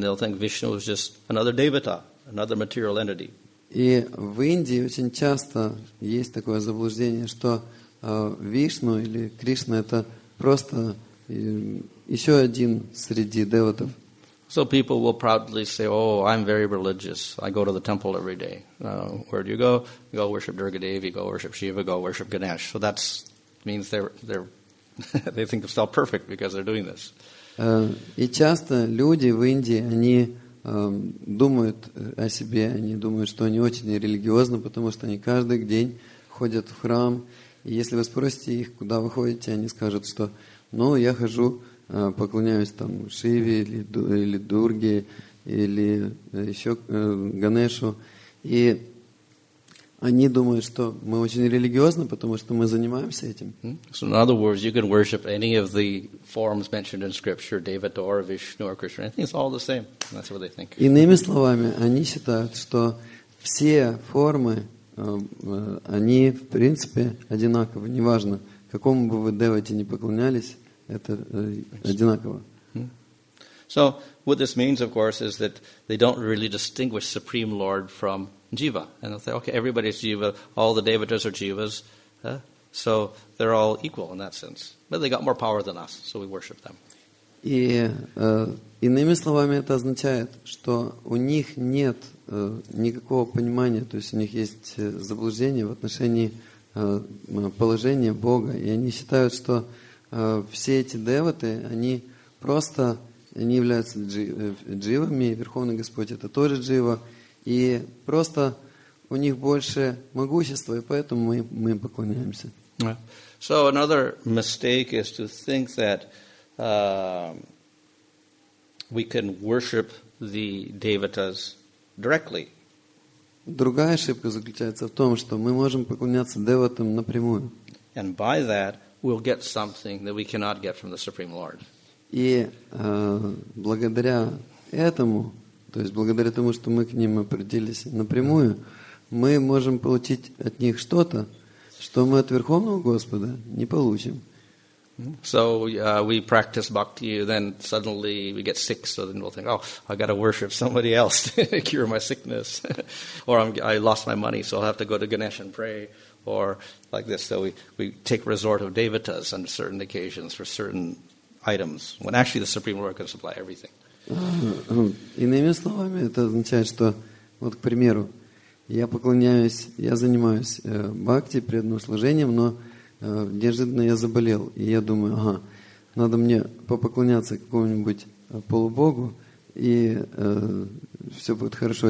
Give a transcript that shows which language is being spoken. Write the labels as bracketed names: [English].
[English] They'll think Vishnu is just another devata, another material entity. [Russian] И в Индии очень часто есть такое заблуждение, что Вишну или Кришна это просто еще один среди деватов. [English] So people will proudly say, "Oh, I'm very religious. I go to the temple every day. Where do you go? You go worship Durga Devi. Go worship Shiva. Go worship Ganesh." So that means they're They think themselves perfect because they're doing this. [Russian] И часто люди в Индии, они думают о себе, они думают, что они очень религиозны, потому что они каждый день ходят в храм. И если вы спросите их, куда вы ходите, они скажут, что ну, я хожу, поклоняюсь там Шиве или Дурге, или еще Ганешу. И они думают, что мы очень религиозны, потому что мы занимаемся этим. [English] So in other words, you can worship any of the forms mentioned in scripture, Devadora, Vishnu or Krishna. I think it's all the same. That's what they think. [Russian] Иными словами, они считают, что все формы, они в принципе одинаковы. Неважно, какому бы вы девоте ни поклонялись, это одинаково. [English] So what this means, of course, is that they don't really distinguish Supreme Lord from Jiva, and they'll say, okay, everybody's Jiva, all the Devatas are Jivas, so they're all equal in that sense. But they got more power than us, so we worship them. [Russian] И иными словами, это означает, что у них нет никакого понимания, то есть у них есть заблуждение в отношении положения Бога, и они считают, что все эти Деваты, они просто, они являются Дживами, и Верховный Господь это тоже Джива. И просто у них больше могущества, и поэтому мы им поклоняемся. [English] So another mistake is to think that we can worship the devatas directly. [Russian] Другая ошибка заключается в том, что мы можем поклоняться деватам напрямую. [English] And by that we'll get something that we cannot get from the Supreme Lord. [Russian] И благодаря этому, то есть благодаря тому, что мы к ним определились напрямую, мы можем получить от них что-то, что мы от Верховного Господа не получим. [English] So we practice bhakti, then suddenly we get sick, so then we'll think, oh, I got to worship somebody else to cure my sickness. Or I lost my money, so I'll have to go to Ganesh and pray. Or like this, so we take resort of devatas on certain occasions for certain items, when actually the Supreme Lord can supply everything. [Russian] Иными словами, это означает, что, вот, к примеру, я поклоняюсь, я занимаюсь бхакти, преданным служением, но неожиданно я заболел, и я думаю, ага, надо мне попоклоняться какому-нибудь полубогу, и все будет хорошо.